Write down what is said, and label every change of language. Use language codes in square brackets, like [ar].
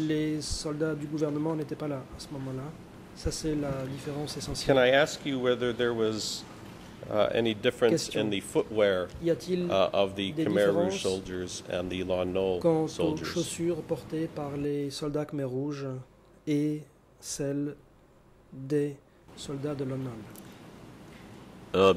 [fr] Les soldats du gouvernement n'étaient pas là à ce moment-là. Ça, c'est la différence essentielle. [en] Can I ask you whether there was any difference in the footwear of the Khmer Rouge soldiers and the Lon Nol soldiers? [fr] Quant aux chaussures portées par les soldats Khmer Rouge et celles des soldats de Lon Nol?